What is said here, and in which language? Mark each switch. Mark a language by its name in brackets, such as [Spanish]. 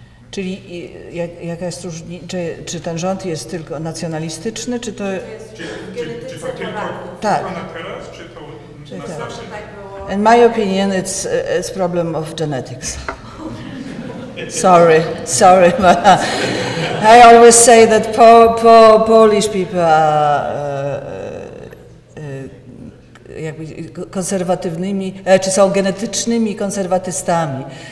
[Polish] Czyli jaka jest różnica, czy ten rząd jest tylko nacjonalistyczny, czy to jest w genetyce Polaków? Tak. Czy to na zawsze tak było? [English] in my opinion, it's a problem of genetics. Sorry. I always say that poor Polish people are [Polish] konserwatywnymi, czy są genetycznymi konserwatystami.